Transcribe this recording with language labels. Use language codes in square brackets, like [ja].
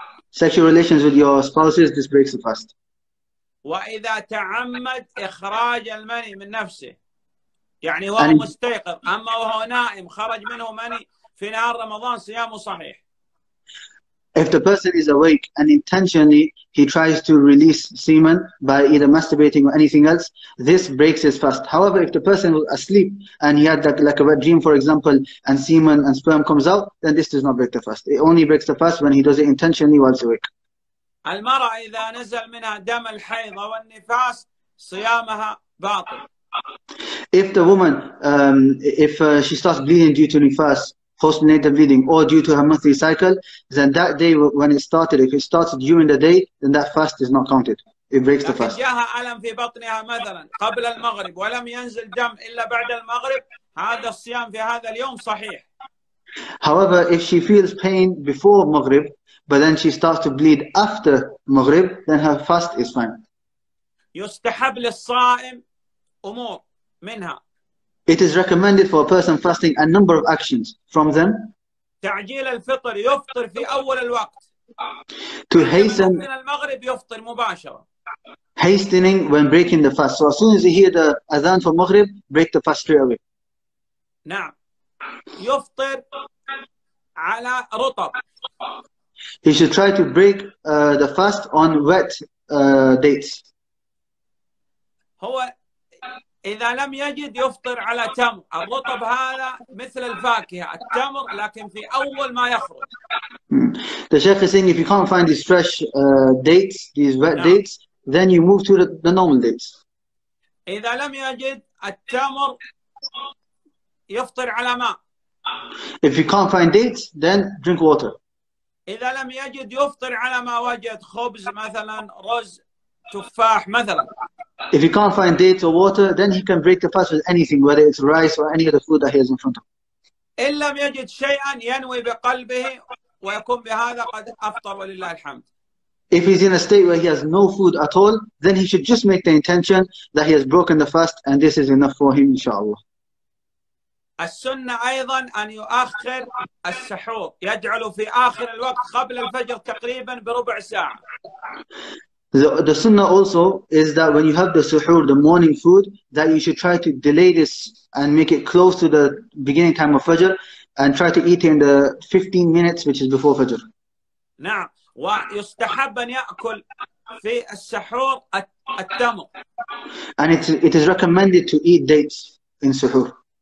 [en] sexual relations with your spouses this breaks the fast. [ar] وإذا تعمد إخراج المني من نفسه يعني وهو مستيقظ أما وهو نائم خرج منه مني في نهار رمضان صيامه صحيح. [en] If the person is awake and intentionally he tries to release semen by either masturbating or anything else, this breaks his fast. However, if the person was asleep and he had like a wet dream, for example, and semen and sperm comes out, then this does not break the fast. It only breaks the fast when he does it intentionally while he's awake. [ar] المرأة إذا نزل منها دم الحيض أو النفاس صيامها باطل. [en] If the woman, she starts bleeding due to nifas, postnatal bleeding or due to her monthly cycle, then that day when it started, if it started during the day, then that fast is not counted. It breaks the fast. [ar] جاءها ألم في بطنها مثلا قبل المغرب ولم ينزل دم إلا بعد المغرب هذا الصيام في هذا اليوم صحيح. [en] However, if she feels pain before Maghrib, but then she starts to bleed after Maghrib, then her fast is fine. [ar] يستحب للصائم أمور منها. [en] It is recommended for a person fasting a number of actions from them. [ar] تعجيل الفطر يفطر في أول الوقت. [en] To hasten. [ar] من المغرب يفطر مباشرة. [en] Hastening when breaking the fast. So as soon as you hear the adhan for Maghrib, break the fast straight away. [ar] نعم. يفطر على رطب. [en] He should try to break the fast on wet dates. [ar] هو إذا لم يجد يفطر على تمر. الرطب هذا مثل الفاكهة. التمر لكن في أول ما يخرج. [en] The Sheikh is saying if you can't find these fresh dates, these wet dates, then you move to the normal dates. [ar] إذا لم يجد التمر يفطر على ماء. [en] If you can't find dates, then drink water. [ar] إذا لم يجد يفطر على ما وجد خبز مثلا رز تفاح مثلا. [en] If you can't find dates or water, then he can break the fast with anything, whether it's rice or any other food that he has in front of him. [ar] إن لم يجد شيئا ينوي بقلبه ويكون بهذا قد أفطر ولله الحمد. [en] If he's in a state where he has no food at all, then he should just make the intention that he has broken the fast and this is enough for him, inshallah. [ar] السنة أيضا أن يؤخر السحور يجعل في آخر الوقت قبل الفجر تقريبا بربع ساعة. [en] The sunnah also is that when you have the suhoor, the morning food, that you should try to delay this and make it close to the beginning time of Fajr and try to eat it in the 15 minutes which is before Fajr. [ar] نعم ويستحب أن يأكل في السحور التمر. [en] And it is recommended to eat dates in suhoor.